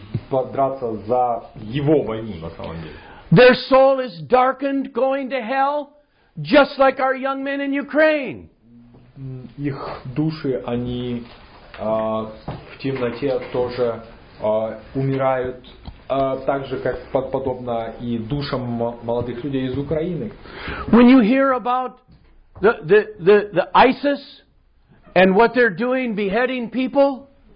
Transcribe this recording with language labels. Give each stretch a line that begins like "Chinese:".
Russian: Подраться за его войну, на самом деле.
English: Their soul is darkened, going to hell, just like our young men in Ukraine.
Russian: Их души, они в темноте тоже умирают, так же, как подобно и душам молодых людей из Украины.
English: When you hear about the ISIS and what they're doing, beheading people,